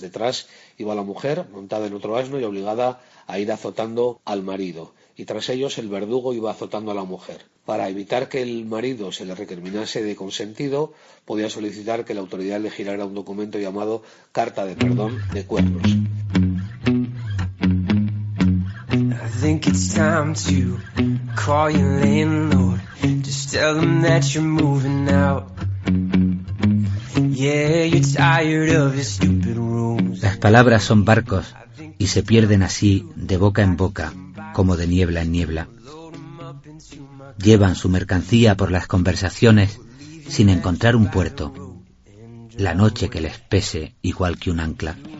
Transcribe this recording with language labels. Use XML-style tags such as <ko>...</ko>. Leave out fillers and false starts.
<es>Detrás iba la mujer montada en otro asno y obligada a ir azotando al marido. Y tras ellos el verdugo iba azotando a la mujer. Para evitar que el marido se le recriminase de consentido, podía solicitar que la autoridad le girara un documento llamado Carta de Perdón de Cuernos.</es> <en>I think it's time to call your landlord. Just tell him that you're moving out. Yeah, you're tired of his stupid rooms.</en> <es>Las palabras son barcos y se pierden así de boca en boca, como de niebla en niebla. Llevan su mercancía por las conversaciones sin encontrar un puerto, la noche que les pese igual que un ancla.</es>